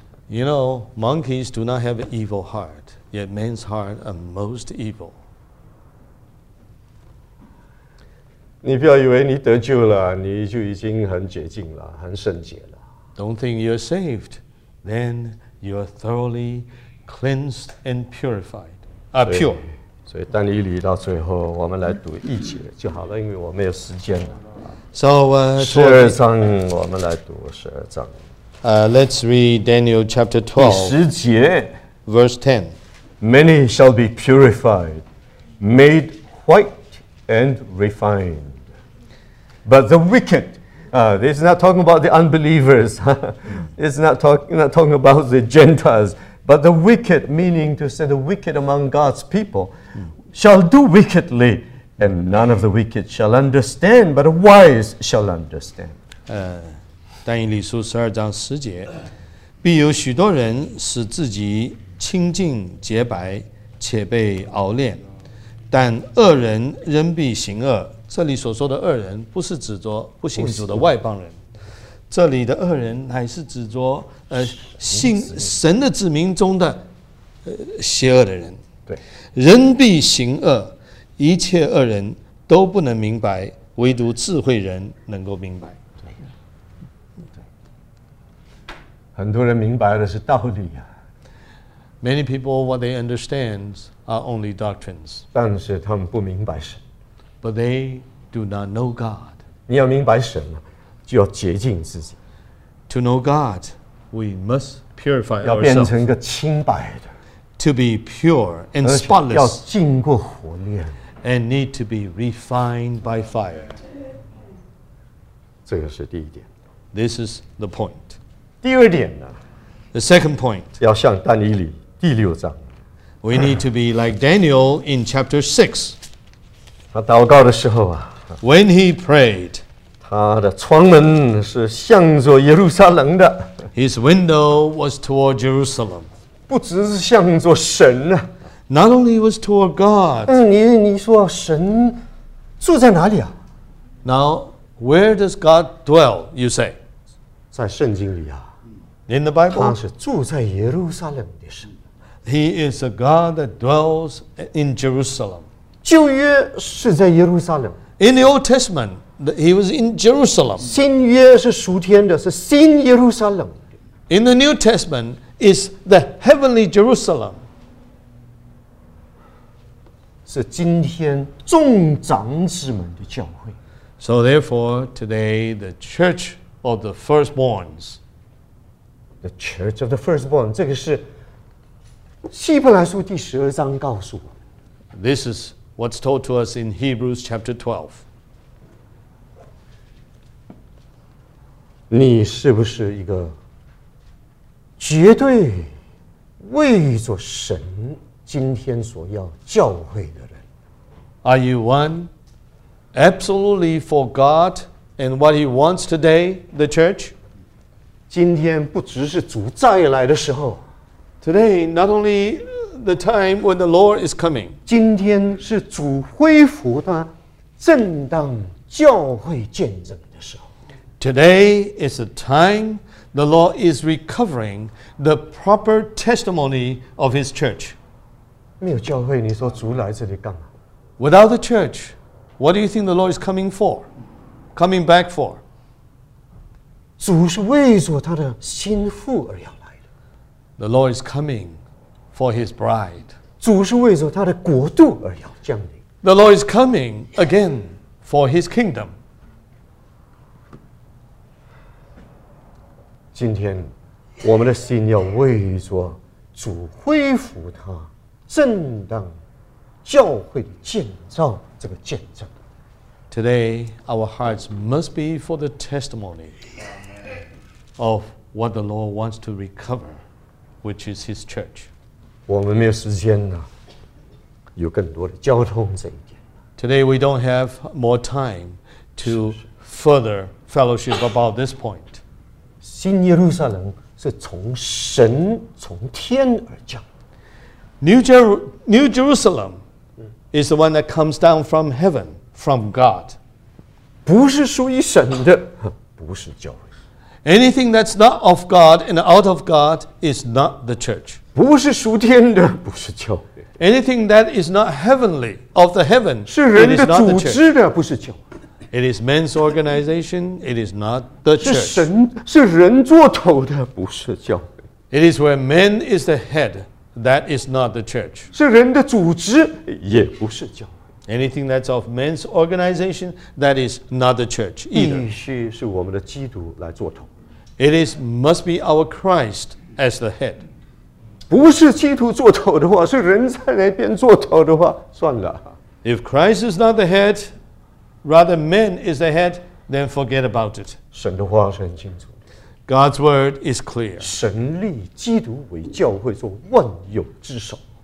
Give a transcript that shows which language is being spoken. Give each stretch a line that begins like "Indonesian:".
English: You know, monkeys do not have an evil heart, yet men's heart are most evil.
Chinese: 你不要以为你得救了，你就已经很洁净了，很圣洁了。
English: Don't think you're saved, then you're thoroughly cleansed and purified. Pure.
Chinese: 所以但以理到最后，我们来读一节就好了，因为我没有时间了。
English: So,
Chinese: 十二章，我们来读十二章。
English: Let's read Daniel chapter 12.
Chinese: 第十节
English: ，verse 10. Many shall be purified, made white and refined, but the wicked. This is not talking about the unbelievers. It's not talking about the Gentiles. But the wicked, meaning to say the wicked among God's people, shall do wickedly, and none of the wicked shall understand, but the wise shall understand.
Chinese: 但以理书十二章十节，必有许多人使自己清净洁白，且被熬炼，但恶人仍必行恶。这里所说的恶人，不是指着不信主的外邦人，这里的恶人乃是指着信神的子民中的邪恶的人。对，人必行恶，一切恶人都不能明白，唯独智慧人能够明白。对，很多人明白的是道理啊。
English: Many people, what they understand are only doctrines.
Chinese: 但是他们不明白神。
English: But they do not know God.
Chinese: 你要明白神啊，就要洁净自己。
English: To know God, we must purify ourselves.
Chinese: 要变成一个清白的。
English: To be pure and spotless.
Chinese: 要经过火炼。
English: And need to be refined by fire.
Chinese: 这个是第一点。
English: This is the point.
Chinese: 第二点呢？
English: The second point,
Chinese: 要像但以理第六章。
English: We need to be like Daniel in chapter 6.
Chinese: 他祷告的时候啊。
English: When he prayed,
Chinese: 他的窗门是向着耶路撒冷的。
English: His window was toward Jerusalem.
Chinese: 不只是向着神啊。
English: Not only was toward God.
Chinese: 你说神住在哪里啊？
English: Now, where does God dwell, you say?
Chinese: 在圣经里啊。
English: In the Bible,
Chinese: 他是住在耶路撒冷的神。
English: He is a God that dwells in Jerusalem.
Chinese: 旧约是在耶路撒冷。
English: In the Old Testament, he was in Jerusalem.
Chinese: 新约是属天的，是新耶路撒冷。
English: In the New Testament, is the heavenly Jerusalem.
Chinese: 是今天众长子们的教会。
English: So therefore, today the Church of the Firstborns. The Church of the Firstborn,
Chinese: 这个是希伯来书第十二章告诉我。
English: This is what's told to us in Hebrews chapter 12.
Chinese: 你是不是一个绝对为着神今天所要教会的人？
English: Are you one absolutely for God and what He wants today, the Church?
Chinese: 今天不只是主再来的时候
English: Today, not only the time when the Lord is coming
Chinese: 今天是主恢复他正当教会见证的时候
English: Today is the time the Lord is recovering the proper testimony of His church
Chinese: 没有教会你说主来这里干嘛
English: Without the church, what do you think the Lord is coming for? Coming back for?
Chinese: 主是为着他的心腹而要来的。
English: The Lord is coming for His bride.
Chinese: 主是为着他的国度而要降临。
English: The Lord is coming again for His kingdom.
Chinese: 今天我们的心要为着主恢复他正当教会的建造这个见证。
English: Today, our hearts must be for the testimony. Of what the Lord wants to recover, which is His church.
Chinese: 我们没有时间呢，有更多的交通这一点。
English: Today we don't have more time to further fellowship about this point.
Chinese: 新耶路撒冷是从神从天而降。
English: New Jerusalem is the one that comes down from heaven, from God.
Chinese: 不是属于神的，不是教会。
English: Anything that's not of God and out of God is not the church.
Chinese: 不是属天的，不是教会。
English: Anything that is not heavenly, of the heaven, it is not the church.
Chinese: 是人的组织的，不是教会。
English: It is man's organization, it is not the church.
Chinese: 是神，是人做头的，不是教会。
English: It is where man is the head, that is not the church.
Chinese: 是人的组织，也不是教会。
English: Anything that's of men's organization, that is not the church either.
Chinese: 必须是我们的基督来做头。
English: It is, must be our Christ as the head.
Chinese: 不是基督做头的话，是人在那边做头的话，算了。
English: If Christ is not the head, rather man is the head, then forget about it.
Chinese: 神的话是很清楚。
English: God's word is clear.
Chinese: 神立基督为教会做万有之首。